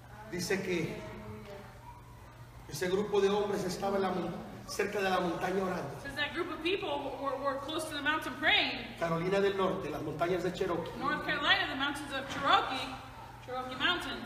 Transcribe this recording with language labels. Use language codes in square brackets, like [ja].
[es] Dice que ese grupo de hombres estaba en la, cerca de la montaña orando. [en] Says that group of people were close to the mountain praying. [es] Carolina del Norte, las montañas de Cherokee. [en] North Carolina, the mountains of Cherokee Mountains.